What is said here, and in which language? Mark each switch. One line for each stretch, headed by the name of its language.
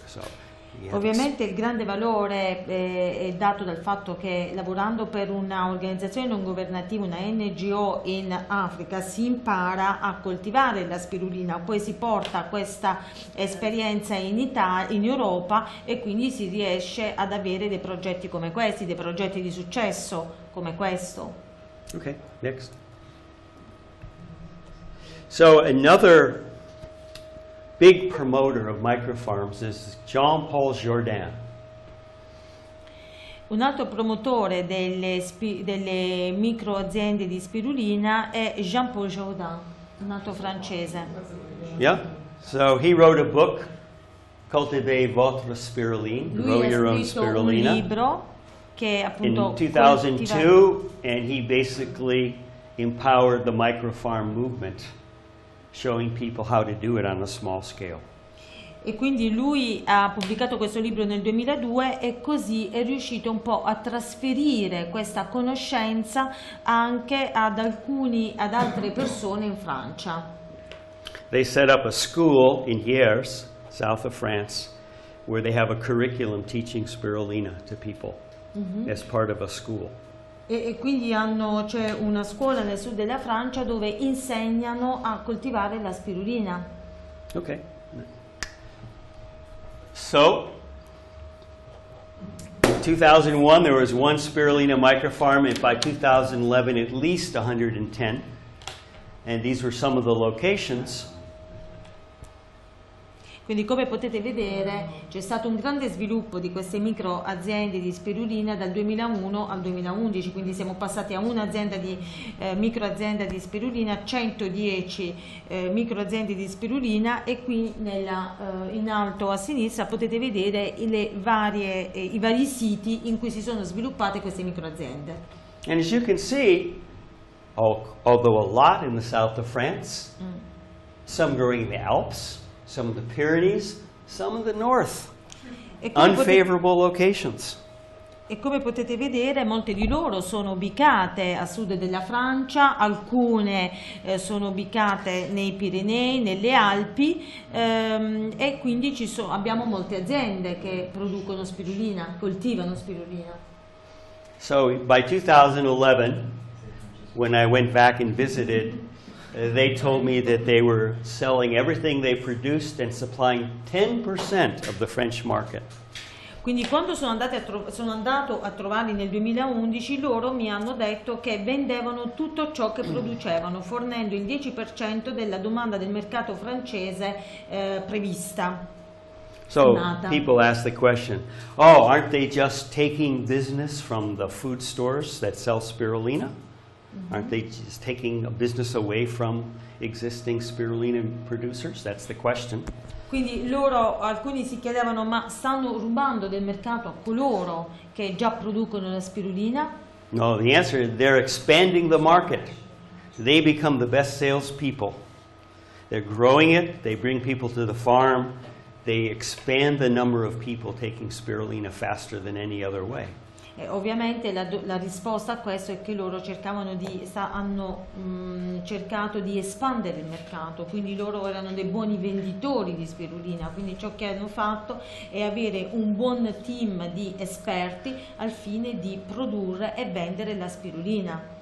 English: So
Italian: ovviamente il grande valore è dato dal fatto che lavorando per un'organizzazione non governativa, una NGO in Africa, si impara a coltivare la spirulina, poi si porta questa esperienza in Europa e quindi si riesce ad avere dei progetti come questi, dei progetti di successo come questo.
English: Ok, next. So another big promoter of microfarms is Jean-Paul Jourdain.
Italian: Un altro promotore delle micro aziende di spirulina è Jean-Paul Jourdain, un altro francese.
English: Yeah, so he wrote a book, Cultivez Votre Spiruline, Grow Your Own Spirulina.
Italian: Lui ha scritto un libro che appunto
English: in 2002, and he basically empowered the microfarm movement, showing people how to do it on a small scale.
Italian: E quindi lui ha pubblicato questo libro nel 2002 e così è riuscito un po' a trasferire questa conoscenza anche ad altre persone in Francia.
English: They set up a school in Hyères, south of France, where they have a curriculum teaching spirulina to people as part of a school.
Italian: E quindi c'è una scuola nel sud della Francia dove insegnano a coltivare la spirulina.
English: Ok. So, in 2001 there was one spirulina microfarm and by 2011 at least 110. And these were some of the locations.
Italian: Quindi, come potete vedere, c'è stato un grande sviluppo di queste micro aziende di spirulina dal 2001 al 2011, quindi siamo passati a un'azienda di micro azienda di spirulina, 110 micro aziende di spirulina, e qui nella, in alto a sinistra potete vedere le varie, i vari siti in cui si sono sviluppate queste micro aziende.
English: And as you can see, although a lot in the south of France, some growing in the Alps, some of the Pyrenees, some of the north, unfavorable locations.
Italian: E come potete vedere, molte di loro sono ubicate a sud della Francia, alcune sono ubicate nei Pirenei, nelle Alpi, e quindi ci abbiamo molte aziende che producono spirulina, coltivano spirulina.
English: So by 2011, when I went back and visited, they told me that they were selling everything they produced and supplying 10% of the French market.
Italian: Quindi quando sono andato a trovarli nel 2011, loro mi hanno detto che vendevano tutto ciò che producevano, fornendo il 10% della domanda del mercato francese prevista.
English: So people ask the question, oh, aren't they just taking business from the food stores that sell spirulina? Aren't they just taking a business away from existing spirulina producers? That's the question.
Italian: Quindi loro, alcuni si chiedevano, ma stanno rubando del mercato a coloro che già producono la spirulina?
English: No, the answer is they're expanding the market. They become the best salespeople. They're growing it, they bring people to the farm, they expand the number of people taking spirulina faster than any other way.
Italian: E ovviamente la risposta a questo è che loro hanno cercato di espandere il mercato, quindi loro erano dei buoni venditori di spirulina, quindi ciò che hanno fatto è avere un buon team di esperti al fine di produrre e vendere la spirulina.